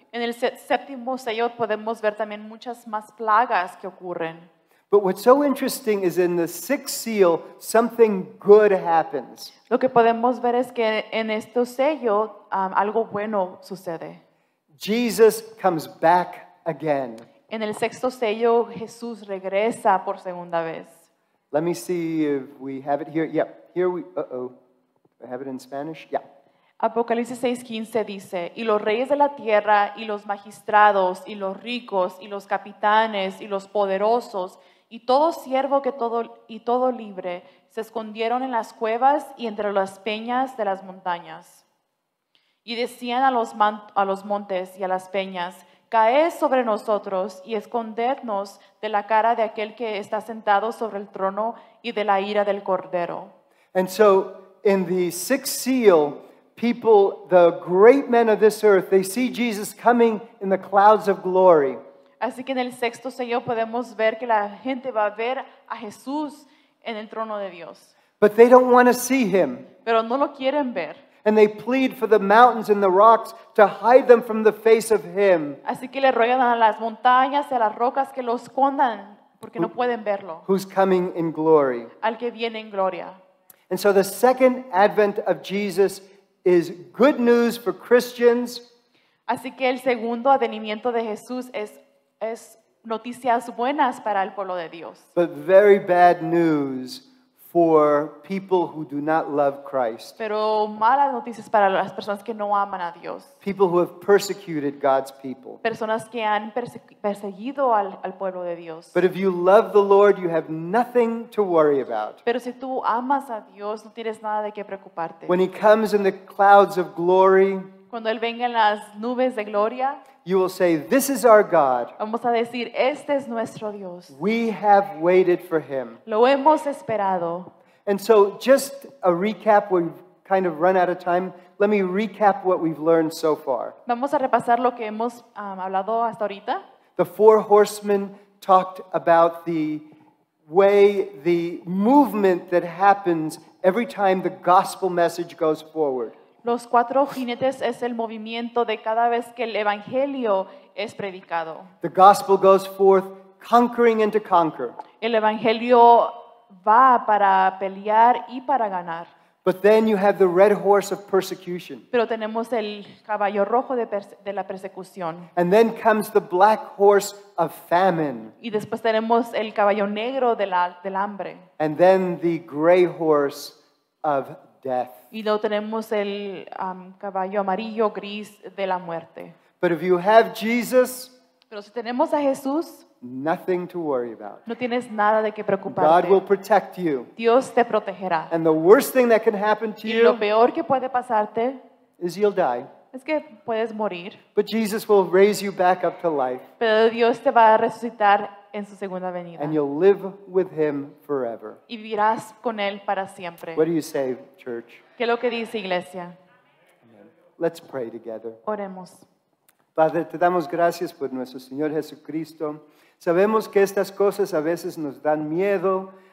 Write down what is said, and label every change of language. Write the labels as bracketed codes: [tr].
[es] En el séptimo sello podemos ver también muchas más plagas que ocurren. [en] But what's so interesting is in the sixth seal, something good happens. [es] Lo que podemos ver es que en este sello, algo bueno sucede. [en] Jesus comes back again. [es] En el sexto sello, Jesús regresa por segunda vez. [en] Let me see if we have it here. Yep, here we, I have it in Spanish? Yeah. [es] Apocalipsis 6:15 dice, y los reyes de la tierra, y los magistrados, y los ricos, y los capitanes, y los poderosos, y todo siervo que todo, y todo libre, se escondieron en las cuevas y entre las peñas de las montañas. Y decían a los montes y a las peñas, caed sobre nosotros y escondednos de la cara de aquel que está sentado sobre el trono y de la ira del Cordero. [en] And so, in the sixth seal, people, the great men of this earth, they see Jesus coming in the clouds of glory. [es] Así que en el sexto sello podemos ver que la gente va a ver a Jesús en el trono de Dios. [en] But they don't want to see him. [es] Pero no lo quieren ver. [en] And they plead for the mountains and the rocks to hide them from the face of him. [es] Así que le ruegan a las montañas y a las rocas que lo escondan porque no pueden verlo. [en] Who's coming in glory. [es] Al que viene en gloria. [en] And so the second advent of Jesus is good news for Christians. [es] Así que el segundo advenimiento de Jesús es noticias buenas para el pueblo de Dios. [en] But very bad news for people who do not love Christ. [es] Pero malas noticias para las personas que no aman a Dios. [en] People who have persecuted God's people. [es] Personas que han perseguido al pueblo de Dios. [en] But if you love the Lord, you have nothing to worry about. [es] Pero si tú amas a Dios, no tienes nada de qué preocuparte. [en] When he comes in the clouds of glory, [es] cuando él venga en las nubes de gloria, [en] you will say, this is our God. [es] Vamos a decir, este es nuestro Dios. [en] We have waited for him. [es] Lo hemos esperado. [en] And so just a recap, we've kind of run out of time. Let me recap what we've learned so far. [es] Vamos a repasar lo que hemos hablado hasta ahorita. [en] The four horsemen talked about the way, the movement that happens every time the gospel message goes forward. [es] Los cuatro jinetes es el movimiento de cada vez que el evangelio es predicado. [en] The gospel goes forth conquering and to conquer. [es] El evangelio va para pelear y para ganar. [en] But then you have the red horse of persecution. [es] Pero tenemos el caballo rojo de la persecución. [en] And then comes the black horse of famine. [es] Y después tenemos el caballo negro del hambre. [en] And then the gray horse of death. [es] Y luego tenemos el caballo amarillo gris de la muerte. [en] But if you have Jesus, [es] pero si tenemos a Jesús, [en] nothing to worry about. [es] No tienes nada de qué preocuparte. [en] God will protect you. [es] Dios te protegerá. [en] And the worst thing that can happen to you, [es] y lo peor que puede pasarte, [en] is you'll die. [es] Es que puedes morir. [en] But Jesus will raise you back up to life. [es] Pero Dios te va a resucitar en su segunda venida. [en] And you'll live with him forever. [es] Y vivirás con él para siempre. [en] What do you say, church? [es] ¿Qué es lo que dice, iglesia? [en] Let's pray together. [es] Oremos. Padre, te damos gracias por nuestro Señor Jesucristo. Sabemos que estas cosas a veces nos dan miedo.